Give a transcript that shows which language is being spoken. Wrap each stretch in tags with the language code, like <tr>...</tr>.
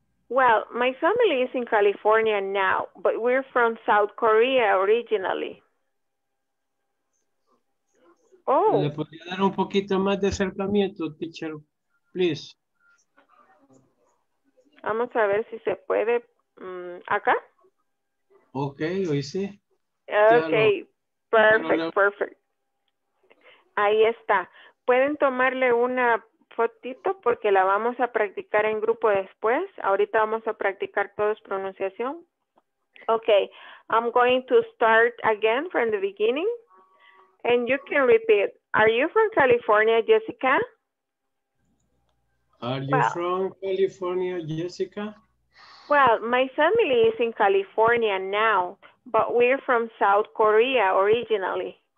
<en>Well, my family is in California now, but we're from South Korea originally. Oh.</en> <es>¿Le podría dar un poquito más de acercamiento, teacher?</es> <en>Please.</en> <es>Vamos a ver si se puede. ¿Acá? Ok, hoy sí.</es> <en>Ok, perfect, perfect.</en> <es>Ahí está. ¿Pueden tomarle una fotito? Porque la vamos a practicar en grupo después. Ahorita vamos a practicar todos pronunciación.</es> <en>Ok, I'm going to start again from the beginning. And you can repeat. Are you from California, Jessica? Are you from California, Jessica? Well, my family is in California now, but we're from South Korea originally.</en>